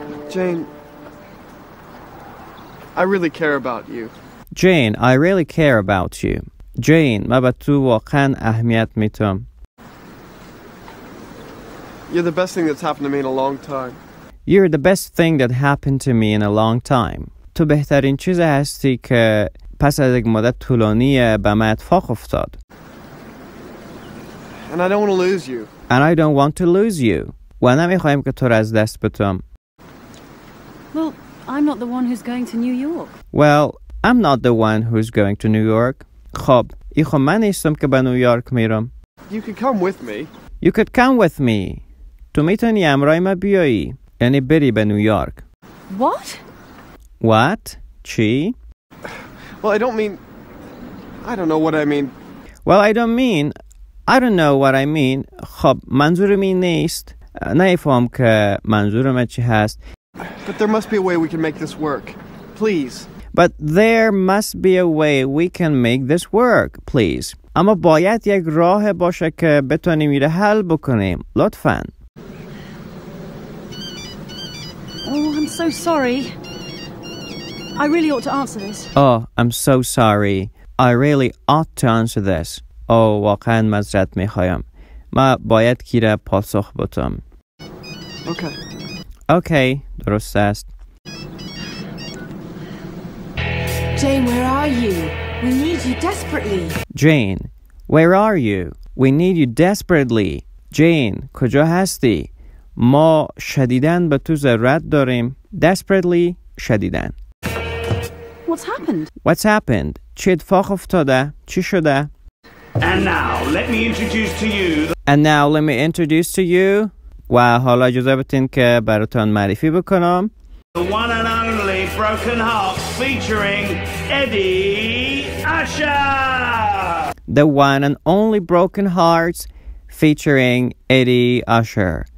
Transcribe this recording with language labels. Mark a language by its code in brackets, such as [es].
[en] Jane, I really care about you. Jane, I really care about you. [fa] Jane, من به تو واقعا اهمیت میدم. [en] You're the best thing that's happened to me in a long time. You're the best thing that happened to me in a long time. [fa] تو بهترین چیز هستی که پس از یک مدت طولانی به من اتفاق افتاد. [en] And I don't want to lose you. And I don't want to lose you. [fa] و نمیخوام که تو را از دست بدم. [en] Well, I'm not the one who's going to New York. Well, I'm not the one who's going to New York. [fa] خب، ای خب من نیستم که به نیویورک میرم. [en] You could come with me. You could come with me. [fa] تو میتونی همراه ما بیایی. یعنی بری به نیویورک. [en] What? What? [fa] چی؟ [en] Well, I don't mean... I don't know what I mean. Well, I don't mean... I don't know what I mean. [fa] خب، منظورم این نیست. نفهم که منظورم چی هست. [en] But there must be a way we can make this work. Please. But there must be a way we can make this work, please. [fa] اما باید یک راه باشه که بتونیم این را حل بکنیم. لطفاً. [en] Oh, I'm so sorry. I really ought to answer this. Oh, I'm so sorry. I really ought to answer this. [fa] Oh, واقعاً معذرت می‌خوام. ما باید کی را پاسخ بدم. [en] Okay. [fa] Okay, درست است. [en] Jane, where are you? We need you desperately. Jane, where are you? We need you desperately. [fa] Jane, کجا هستی؟ ما شدیداً به تو ضرورت داریم. Desperately, شدیداً. [en] What's happened? What's happened? [fa] چه اتفاق افتاده؟ چی شده؟ [en] And now, let me introduce to you... And now, let me introduce to you... [fa] و حالا اجازه بدین که براتون معرفی بکنم. [en] The one and only broken heart featuring Eddie Usher. The one and only broken hearts featuring Eddie Usher.